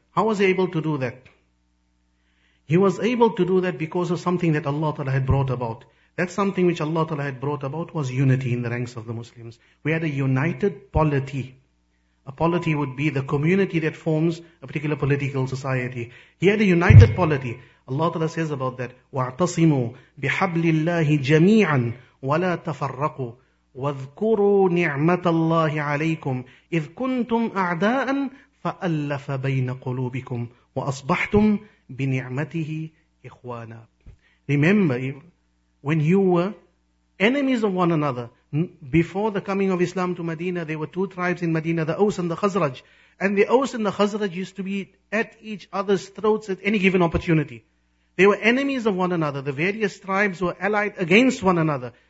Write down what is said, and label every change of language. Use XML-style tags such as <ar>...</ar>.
<en>How was he able to do that? He was able to do that because of something that Allah Ta'ala had brought about. That's something which Allah Ta'ala had brought about, was unity in the ranks of the Muslims. We had a united polity. A polity would be the community that forms a particular political society. He had a united polity. Allah Ta'ala says about that,</en> <ar>وَاعْتَصِمُوا بِحَبْلِ اللَّهِ جَمِيعًا وَلَا تَفَرَّقُوا وَاذْكُرُوا نِعْمَةَ اللَّهِ عَلَيْكُمْ إِذْ كُنْتُمْ أَعْدَاءً فَأَلَّفَ بَيْنَ قُلُوبِكُمْ وَأَصْبَحْتُمْ بِنِعْمَتِهِ إِخْوَانًا.</ar> <en>Remember, when you were enemies of one another, before the coming of Islam to Medina, there were two tribes in Medina, the Aus and the Khazraj. And the Aus and the Khazraj used to be at each other's throats at any given opportunity. They were enemies of one another. The various tribes were allied against one another.</en>